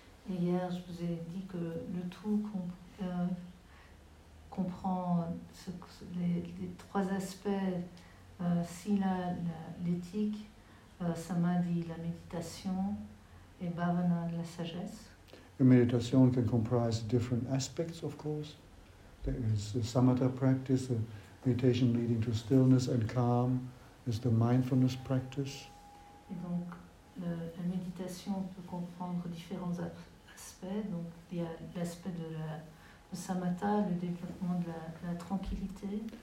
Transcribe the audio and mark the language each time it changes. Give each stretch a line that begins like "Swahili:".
French: Et hier, je vous ai dit que le tout comprend les trois aspects, sila, l'éthique, samadhi, la méditation, et bhavana, la sagesse.
English: A meditation can comprise different aspects, of course. There is the samatha practice, the meditation leading to stillness and calm. Is the mindfulness practice.
French: Et donc, la méditation peut comprendre différents aspects. Donc, il y a l'aspect de samatha, le développement de la tranquillité.